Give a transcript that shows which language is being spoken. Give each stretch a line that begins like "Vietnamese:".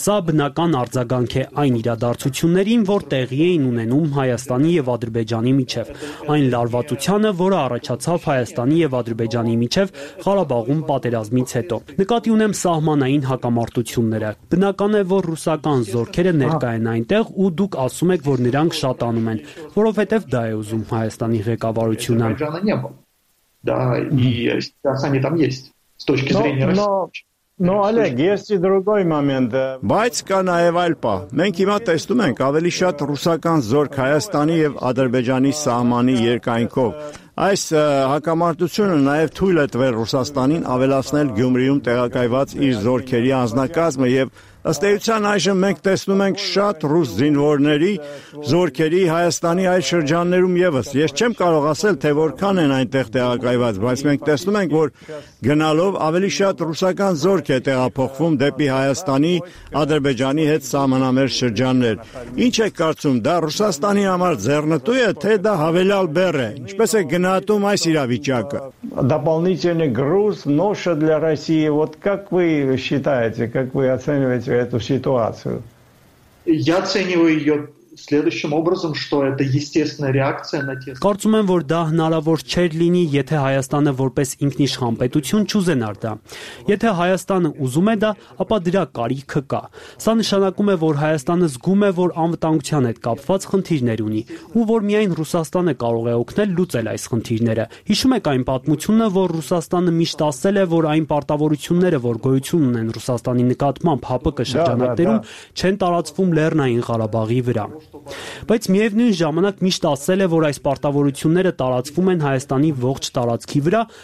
Armenian: Սա բնական արձագանք է այն իրադարձություններին, որ տեղի էին ունենում Հայաստանի և Ադրբեջանի միջև, այն լարվածությանը, որը առաջացավ Հայաստանի և Ադրբեջանի միջև Ղարաբաղում պատերազմից հետո։ Նկատի ունեմ սահմանային հակամարտությունները։ Բնական է, որ ռուսական զորքերը ներկա են այնտեղ, ու դուք ասում եք, որ նրանք շատանում են, որովհետև դա է ուզում Հայաստանի ղեկավարությունը։
Russian: Դա, и сейчас они там есть, с точки зрения России.
Armenian: Բայց կա նաև այլ պա։ Մենք հիմա տեսնում ենք ավելի շատ ռուսական զորք Հայաստանի և Ադրբեջանի սահմանի երկայնքով։ Այս հակամարտությունը նաև թույլ է տվել Ռուսաստանին ավելացնել Գյումրիում տեղակայված իր զորքերի անձնակազմը և ըստ էության այժմ մենք տեսնում ենք շատ ռուս զինվորների զորքերի Հայաստանի այլ շրջաններում եւս։ Ես չեմ կարող ասել, թե որքան են այնտեղ տեղակայված, բայց մենք տեսնում ենք, որ գնալով ավելի շատ ռուսական զորք է տեղափոխվում դեպի Հայաստանի, Ադրբեջանի հետ սահմանամերջ շրջաններ։ Ինչ եք կարծում, դա Ռուսաստանի համար ձեռնտու է, թե դա հավելյալ բեռ է։ Ինչպես է գնահատում այս իրավիճակը։
Russian: Дополнительный груз, ноша для России. Вот как вы считаете, как вы оцениваете эту ситуацию? Я оцениваю ее следующим образом, что это естественная реакция на те.
Armenian: Կարծում եմ, որ դա հնարավոր չէր լինի, եթե Հայաստանը որպես ինքնիշխան պետություն չուզենար դա։ Եթե Հայաստանը ուզում է դա, ապա դրա կարիքը կա։ Սա նշանակում է, որ Հայաստանը զգում է, որ անվտանգության հետ կապված խնդիրներ ունի, ու որ միայն Ռուսաստանը կարող է օգնել լուծել այս խնդիրները։ Հիշում եք այն պատմությունը, որ Ռուսաստանը միշտ ասել է, որ այն պարտավորությունները, որ գոյություն ունեն Ռուսաստանի նկատմամբ ՀԱՊԿ շրջանակներում, չեն տարածվում Լեռնային Ղարաբաղի վրա։ Բայց միևնույն ժամանակ միշտ ասել է, որ այս պարտավորությունները տարածվում են Հայաստանի ողջ տարածքի վրա,